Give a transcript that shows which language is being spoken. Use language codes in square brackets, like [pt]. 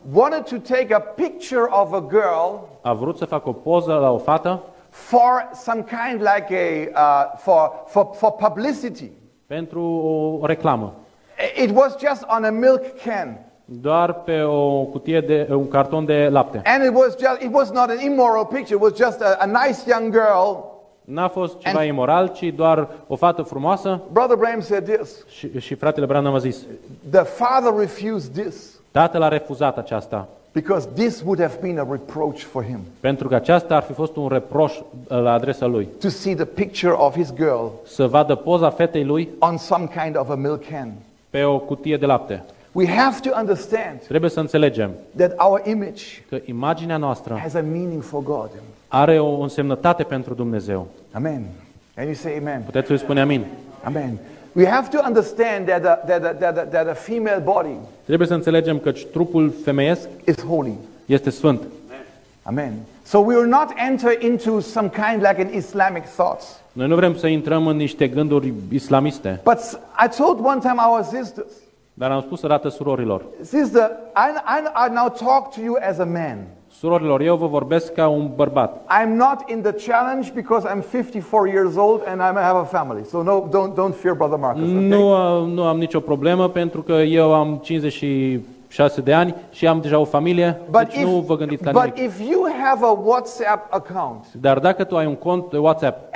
[en] wanted to take a picture of a girl. [ro] A vrut să facă o poză la o fată [en] for some kind like a for publicity. [ro] Pentru o reclamă. [en] It was just on a milk can. [ro] Doar pe o cutie de un carton de lapte. [en] And it was not an immoral picture, it was just a nice young girl. [ro] N-a fost ceva imoral, ci doar o fată frumoasă. [en] Brother Branham said this. [ro] Și fratele Branham a zis. [en] The father refused this. [ro] Tatăl a refuzat aceasta. [en] Because this would have been a reproach for him. [ro] Pentru că aceasta ar fi fost un reproș la adresa lui. [en] To see the picture of his girl. [ro] Să vadă poza fetei lui. [en] On some kind of a milk can. [ro] Pe o cutie de lapte. [en] We have to understand. [ro] Trebuie să înțelegem. [en] That our image. [ro] Că imaginea noastră. [en] Has a meaning for God. [ro] Are o însemnătate pentru Dumnezeu. [en] Amen. And you say amen. [ro] Puteți să-i spune amin. [en] Amen. We have to understand that a female body. [ro] Trebuie să înțelegem că trupul femeiesc [en] is holy. [ro] Este sfânt. [en] Amen. So we will not enter into some kind like an Islamic thoughts. [ro] Noi nu vrem să intrăm în niște gânduri islamiste. [en] But I told one time our sisters. [ro] Dar am spus odată surorilor. [en] Sister, I now talk to you as a man. [ro] Surorilor, eu vă vorbesc ca un bărbat. [en] I'm not in the challenge because I'm 54 years old and I have a family. So no, don't fear Brother Marcus. Okay? [ro] Nu am nicio problemă pentru că eu am 56 de ani și am deja o familie. [en] But [ro] deci nu vă gândiți la nimic. [en] But if you have a WhatsApp account. [ro] Dar dacă tu ai un cont de WhatsApp.